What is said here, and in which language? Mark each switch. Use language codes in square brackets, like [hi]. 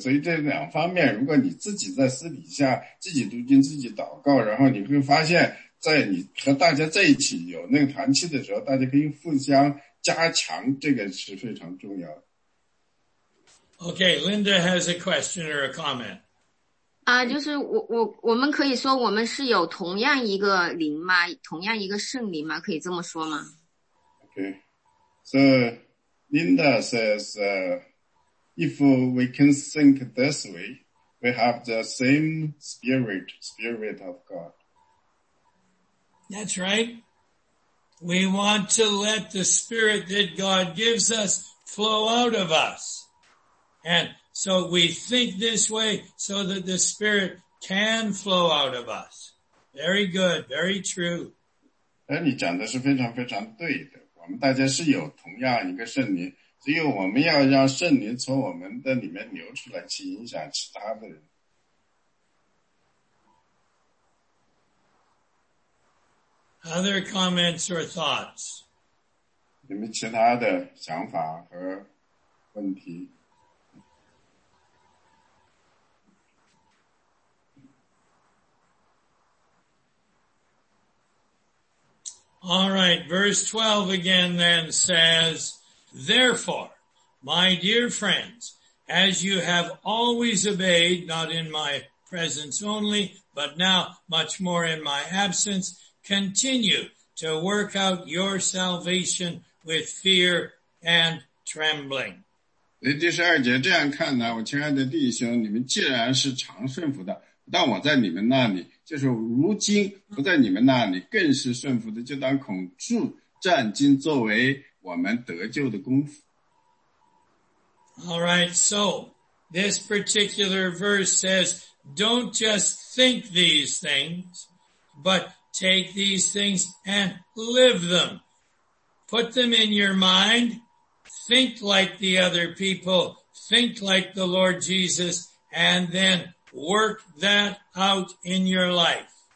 [zh] 所以这两方面，如果你自己在私底下自己读经、自己祷告，然后你会发现，在你和大家在一起有那个团契的时候，大家可以互相加强，这个是非常重要的。 [en] Okay, Linda has a question or a comment. [zh] 就是我们可以说我们是有同样一个灵吗？同样一个圣灵吗？可以这么说吗？ [en] Okay. So Linda says, if we can think this way, we have the same spirit of God. That's right. We want to let the spirit that God gives us flow out of us. And so we think this way so that the spirit can flow out of us. Very good, very true. [zh] 那你讲的是非常非常对的。我们大家是有同样一个圣灵，所以我们要让圣灵从我们的里面流出来，去影响其他的人。 [en] Other comments or thoughts? [zh] 你们其他的想法和问题？ [en] All right, verse 12 again then says, therefore, my dear friends, as you have always obeyed, not in my presence, presence only, but now much more in my absence, continue to work out your salvation with fear and trembling. [zh] 第12节, 这样看呢, 我亲爱的弟兄, 你们既然是常顺服的, 但我在你们那里, 就是如今, 不在你们那里, 更是顺服的, 就当恐惧, 战经作为我们得救的功夫。 [en] All right, so this particular verse says, don't just think these things, but take these things and live them. Put them in your mind, think like the other people, think like the Lord Jesus, and then work that out in your life.